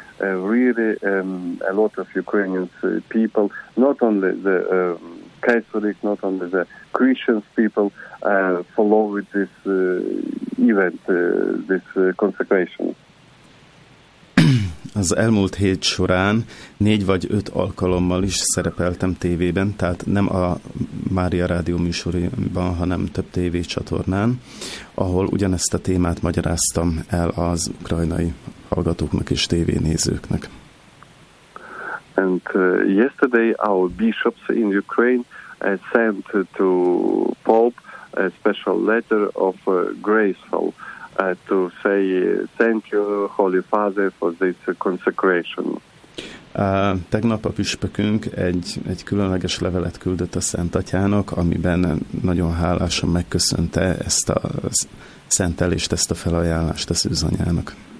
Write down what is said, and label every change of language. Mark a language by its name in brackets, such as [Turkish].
[English] Really, a lot of Ukrainian people, not only the Catholic, not only the Christian people, follow this event, this consecration. [Hungarian] Az elmúlt hét során 4 vagy 5 alkalommal is szerepeltem tévében, tehát nem a Mária Rádió műsorban, hanem több tévécsatornán, ahol ugyanezt a témát magyaráztam el az ukrajnai hallgatóknak és tévénézőknek. [English] And yesterday our bishops in Ukraine sent to Pope a special letter of graceful to say thank you, Holy Father, for this consecration. [Hungarian] Tegnap a püspökünk egy különleges levelet küldött a Szent Atyának, amiben nagyon hálásan megköszönte ezt a szentelést, ezt a felajánlást a Szűzanyának.